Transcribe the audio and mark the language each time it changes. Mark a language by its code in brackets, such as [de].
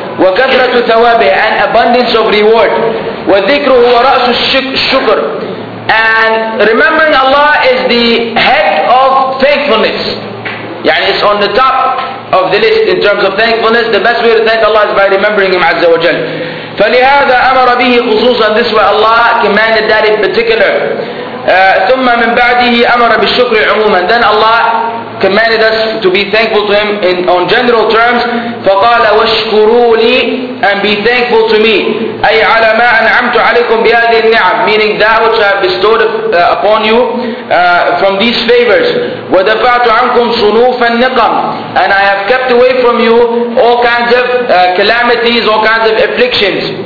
[ar] وكثرة ثوابه [en] and abundance of reward. [ar] والذكر هو رأس الشكر [en] and remembering Allah is the head of thankfulness. يعني it's on the top of the list in terms of thankfulness. The best way to thank Allah is by remembering Him [ar] عز وجل. فلهذا أمر به خصوصا [en] this way Allah commanded that in particular. [ar] ثم من بعده أمر بالشكر عموما. [en] Then Allah commanded us to be thankful to Him in on general terms. [ar] فقال واشكروا لي [en] and be thankful to me. [ar] أي على ما أنعمت عليكم بهذه النعم. [en] Meaning that which I have bestowed upon you from these favors. [ar] ودفعت عنكم صنوف النقم [en] and I have kept away from you all kinds of calamities, all kinds of afflictions.